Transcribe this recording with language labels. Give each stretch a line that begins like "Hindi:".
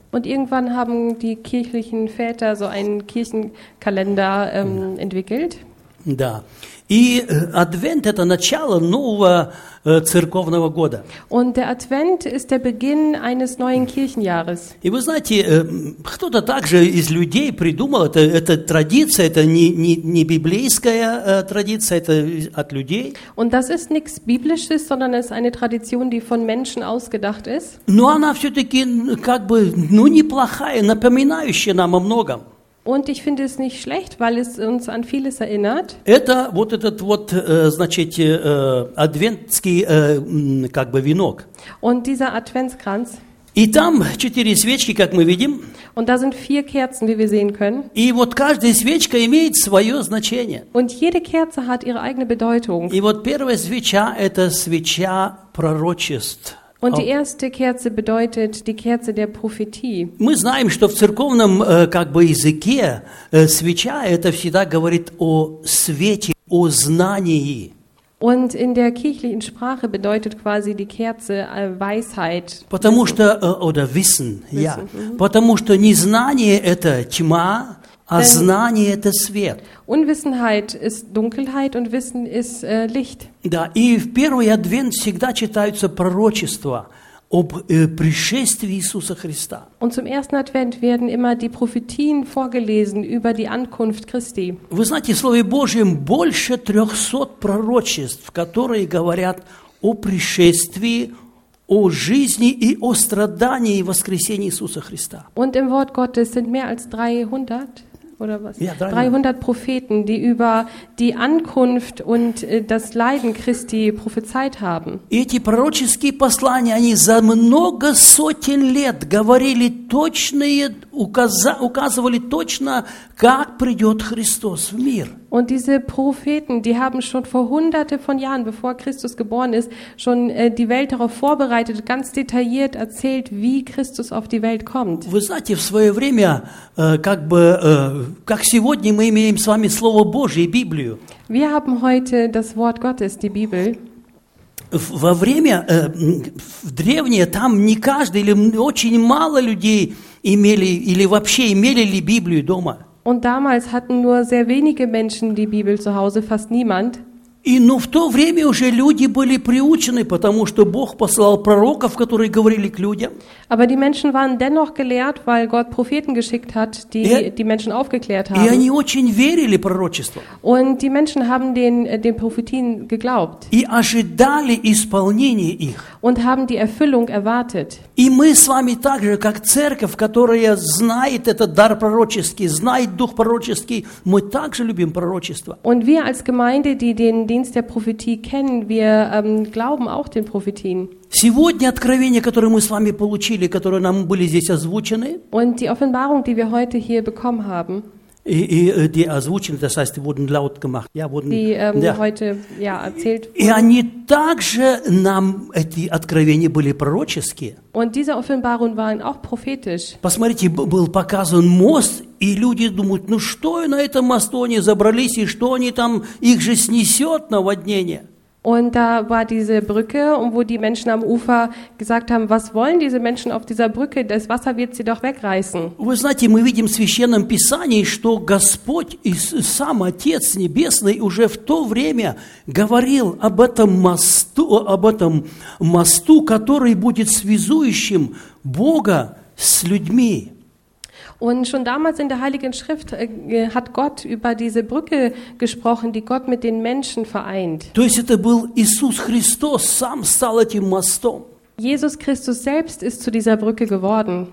German: Und irgendwann haben die kirchlichen Väter so einen Kirchenkalender entwickelt.
Russian: Да. И Advent это начало нового церковного года.
German: Und der Advent ist der Beginn eines neuen Kirchenjahres.
Russian: И вы знаете, кто-то также из людей придумал это традиция, это не библейская традиция, это от людей.
German: Und das ist nichts biblisches, sondern es ist eine Tradition, die von Menschen ausgedacht ist.
Russian: Но она все-таки как бы неплохая, напоминающая нам о многом.
German: Und ich finde es nicht schlecht, weil es uns an vieles erinnert.
Russian: Это вот этот вот, значит, адвентский, как бы венок.
German: Und dieser Adventskranz.
Russian: И там четыре свечки, как мы видим.
German: Und da sind vier Kerzen, wie wir sehen können.
Russian: И вот каждая свечка имеет свое значение.
German: Und jede Kerze hat ihre eigene Bedeutung.
Russian: И вот первая свеча – это свеча пророчеств.
German: Und die erste Kerze bedeutet die Kerze der Prophetie.
Russian: Мы знаем, что в церковном как бы языке свеча это всегда говорит о свете, о знании.
German: Und in der kirchlichen Sprache bedeutet quasi die Kerze Weisheit.
Russian: Потому что
German: oder Wissen, ja.
Russian: Потому что незнание это тьма, а знание это свет.
German: Unwissenheit ist Dunkelheit und Wissen ist Licht.
Russian: Да, и в первый Адвент всегда читаются пророчества об пришествии Иисуса Христа.
German: Und zum ersten Advent werden immer die Prophetien vorgelesen über die Ankunft Christi.
Russian: Вы знаете, в Слове Божьем больше 300 пророчеств, которые говорят о пришествии, о жизни и о страдании и воскресении Иисуса Христа.
German: Und im Wort Gottes sind mehr als 300 oder was? Ja, 300 Propheten, die über die Ankunft und das Leiden Christi prophezeit haben.
Russian: Эти пророческие послания, они за много сотен лет говорили точные, указывали точно, как придет Христос в мир.
German: Und diese Propheten, die haben schon vor hunderte von Jahren, bevor Christus geboren ist, schon die Welt darauf vorbereitet, ganz detailliert erzählt, wie Christus auf die Welt kommt.
Russian: Вы знаете, в свое время, как бы, как сегодня мы имеем с вами Слово Божие, Библию.
German: Wir haben heute das Wort Gottes, die Bibel.
Russian: Во время, в древние, там не каждый или очень мало людей имели или вообще имели ли Библию дома.
German: Und damals hatten nur sehr wenige Menschen die Bibel zu Hause, fast niemand.
Russian: И, ну, в то время уже люди были приучены, потому что Бог послал пророков, которые говорили к людям.
German: Aber die Menschen waren dennoch gelehrt, weil Gott Propheten geschickt hat, die die Menschen aufgeklärt haben.
Russian: И они очень верили пророчеству.
German: Und die Menschen haben den Prophetien geglaubt.
Russian: И ожидали исполнения их.
German: Und haben die Erfüllung erwartet.
Russian: И мы с вами также, как церковь, которая знает этот дар пророческий, знает дух пророческий, мы также любим пророчество.
German: Und wir als Gemeinde, die den Dienst der Prophetie kennen, wir glauben auch den Prophetien.
Russian: Сегодня откровения, которые мы с вами получили, которые нам были здесь озвучены,
German: und die Offenbarung, die wir heute hier bekommen haben, die озвучены, das heißt, die wurden laut gemacht, ja, wurden, die heute ja, erzählt wurden,
Russian: и они также нам, эти откровения были пророческие.
German: Und diese Offenbarung waren auch prophetisch.
Russian: Посмотрите, был показан мост, и люди думают, ну что на этом мосту они забрались, и что они там, их же снесет наводнение.
German: Und da war diese Brücke, wo die Menschen am Ufer gesagt haben, was wollen diese Menschen auf dieser Brücke? Das Wasser wird sie doch wegreißen.
Russian: Вы знаете, мы видим в Священном Писании, что Господь и сам Отец Небесный уже в то время говорил об этом мосту, который будет связующим Бога с людьми.
German: Und schon damals in der Heiligen Schrift hat Gott über diese Brücke gesprochen, die Gott mit den Menschen vereint.
Russian: То есть это был Иисус Христос, сам стал этим мостом.
German: Jesus Christus selbst ist zu dieser Brücke geworden.